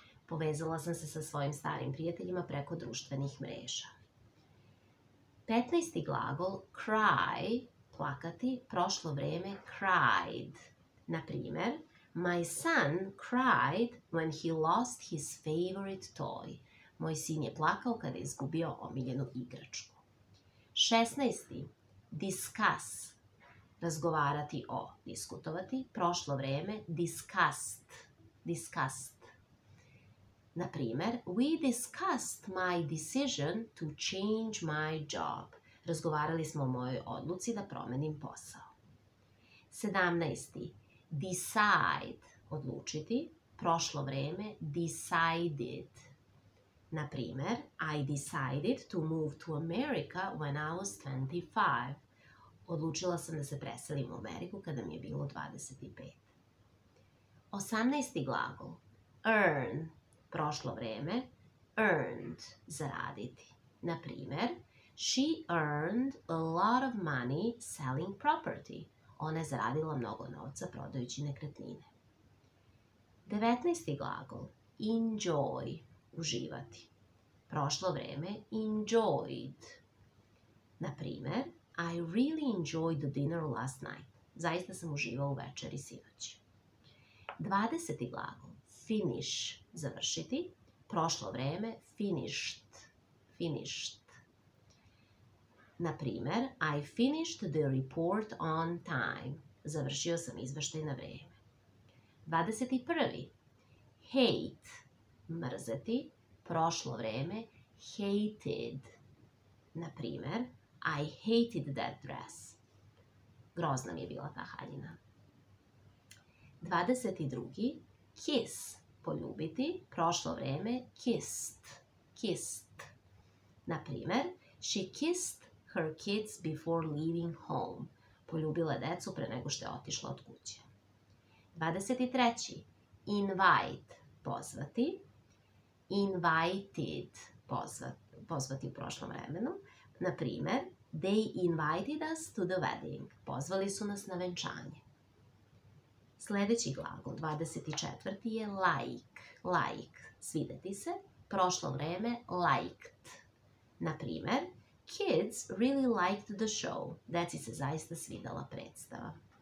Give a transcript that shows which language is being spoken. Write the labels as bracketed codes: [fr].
[sr] Povezala sam se sa svojim starim prijateljima preko društvenih mreža. 15. glagol cry, plakati, prošlo vreme cried. [en] Naprimer, my son cried when he lost his favorite toy. [sr] Moj sin je plakao kada je izgubio omiljenu igračku. 16. discuss, razgovarati o, diskutovati, prošlo vreme discussed. [en] Na primer, we discussed my decision to change my job. [sr] Razgovarali smo o mojoj odluci da promenim posao. 17. Decide, odlučiti, prošlo vreme decided. [en] Na primer, I decided to move to America when I was 25. [sr] Odlučila sam da se preselim u Ameriku kada mi je bilo 25. 18. glagol earn. Prošlo vreme, earned, zaraditi. [en] Naprimer, she earned a lot of money selling property. [sr] Ona je zaradila mnogo novca prodajući nekretnine. 19. glagol, enjoy, uživati. Prošlo vreme, enjoyed. [en] Naprimer, I really enjoyed the dinner last night. [sr] Zaista sam uživao u večeri sinoć. 20. glagol, finish, završiti, prošlo vreme, finished. [en] Naprimer, I finished the report on time. [sr] Završio sam izveštaj na vreme. 21. Hate, mrzeti, prošlo vreme, hated. Naprimer, [en] I hated that dress. [sr] Grozna mi je bila ta haljina. 22. Kiss, poljubiti, prošlo vreme, kissed. [en] Naprimer, she kissed her kids before leaving home. [sr] Poljubila je decu pre nego što je otišla od kuće. 23. Invite, pozvati. Invited, pozvati u prošlom vremenu. [en] Naprimer, they invited us to the wedding. [sr] Pozvali su nas na venčanje. Sljedeći glagol, 24. je like, svideti se, prošlo vreme, liked. Naprimer, [en] kids really liked the show, [sr] deci se zaista svidala predstava.